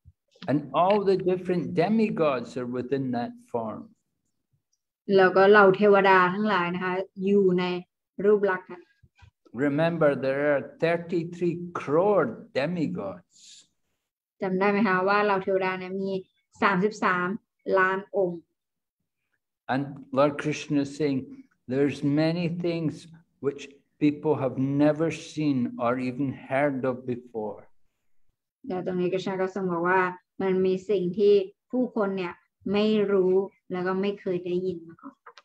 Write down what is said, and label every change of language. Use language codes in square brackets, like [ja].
[en] And all the different demigods are within that form. [th] แล้วก็เหล่าเทวดาทั้งหลายนะคะอยู่ในรูปลักษณ์ [en] Remember there are 33 crore demigods [th] จำได้ไหมคะว่าเหล่าเทวดาเนี่ยมี33ล้านองค์ [en] And Lord Krishna is saying there's many things which people have never seen or even heard of before [th] แต่ตรงนี้ Krishna ก็ทรงบอกว่ามันมีสิ่งที่ผู้คนเนี่ยไม่รู้แล้วก็ไม่เคยได้ยินมาก่อน